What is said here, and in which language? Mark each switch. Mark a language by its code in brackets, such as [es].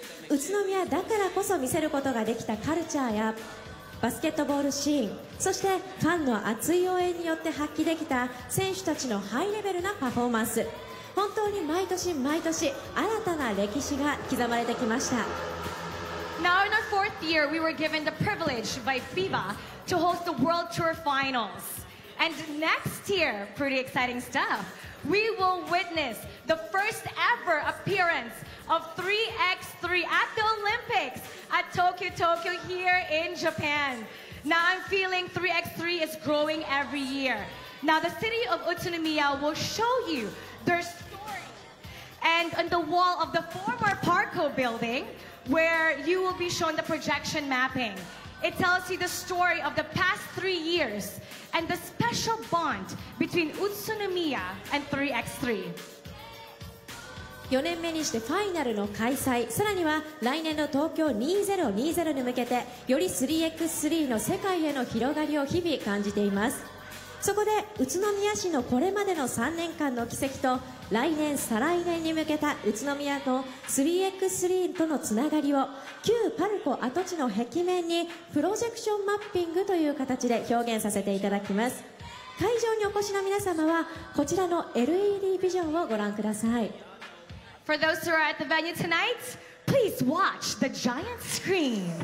[ja] 宇都宮だからこそ見せることができたカルチャーやバスケットボールシーン、そしてファンの熱い応援によって発揮できた選手たちのハイレベルなパフォーマンス。本当に毎年毎年新たな歴史が刻まれてきました。 [en] Now in our fourth year, we were given the privilege by FIBA to host the World Tour Finals. And next year, pretty exciting stuff, we will witness the first ever appearance of 3x3 at the Olympics at Tokyo, Tokyo here in Japan. Now I'm feeling 3x3 is growing every year. Now the city of Utsunomiya will show youTheir story. And on the wall of the former Parco building, where you will be shown the projection mapping, it tells you the story of the past 3 years and the special bond between Utsunomiya and 3x3. [ja] 4年目にしてファイナルの開催、さらには来年の東京2020に向けて、より 3x3 の世界への広がりを日々感じています。そこで宇都宮市のこれまでの3年間の軌跡と来年再来年に向けた宇都宮と 3x3 とのつながりを旧パルコ跡地の壁面にプロジェクションマッピングという形で表現させていただきます。会場にお越しの皆様はこちらの LED ビジョンをご覧ください。 [en] For those who are at the venue tonight, please watch the giant screen.